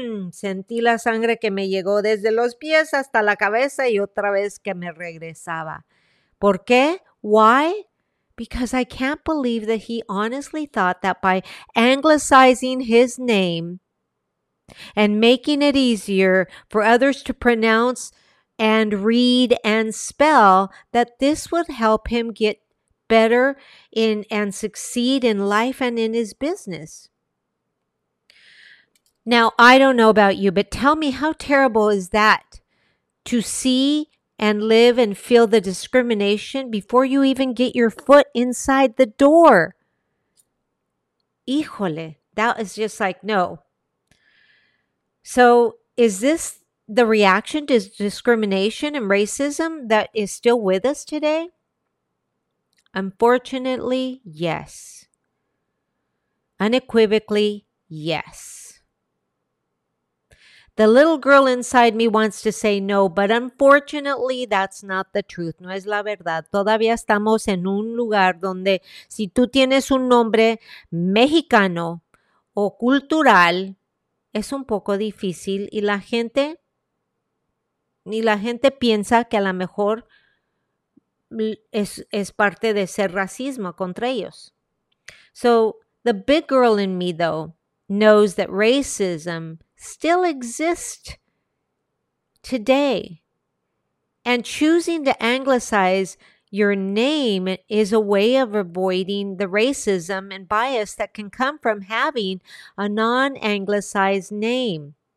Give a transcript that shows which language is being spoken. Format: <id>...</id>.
<es>Sentí la sangre que me llegó desde los pies hasta la cabeza y otra vez que me regresaba. ¿Por qué?</es> <en>Why? Because I can't believe that he honestly thought that by anglicizing his name and making it easier for others to pronounce and read and spell, that this would help him get better in and succeed in life and in his business. Now, I don't know about you, but tell me, how terrible is that to see and live and feel the discrimination before you even get your foot inside the door? Híjole, that is just like, no. So is this the reaction to discrimination and racism that is still with us today? Unfortunately, yes. Unequivocally, yes. The little girl inside me wants to say no, but unfortunately, that's not the truth.</en> <es>No es la verdad. Todavía estamos en un lugar donde si tú tienes un nombre mexicano o cultural, es un poco difícil. Y la gente piensa que a lo mejor es parte de ser racismo contra ellos.</es> <en>So the big girl in me, though, knows that racism still exists today. And choosing to anglicize your name is a way of avoiding the racism and bias that can come from having a non-anglicized name.</en>